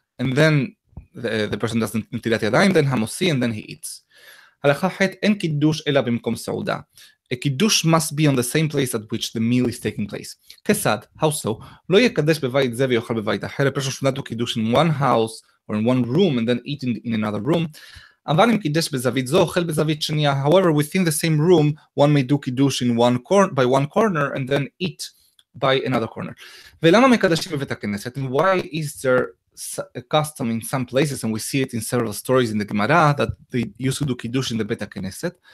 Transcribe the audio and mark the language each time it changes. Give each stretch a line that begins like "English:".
English: And then the person doesn't nitilat yadayim, then hamosi, and then he eats.
Hebrew: Halacha chet en kiddush ela b'mkom sa'uda.
English: A kiddush must be on the same place at which the meal is taking place. Kesad, how so?
Hebrew: Lo yekadesh b'vayit ze v'yochel b'vayit acher.
English: A person should not do kiddush in one house or in one room and then eat in another room.
Hebrew: אבל אם קידש בזווית זו, אוכל בזווית שנייה.
English: However, within the same room, one may do kiddush in one corner, by one corner, and then eat by another corner.
Hebrew: ולמה מקדשים בבית הכנסת?
English: And why is there a custom in some places, and we see it in several stories in the Gemara, that they used to do kiddush in the בית הכנסת?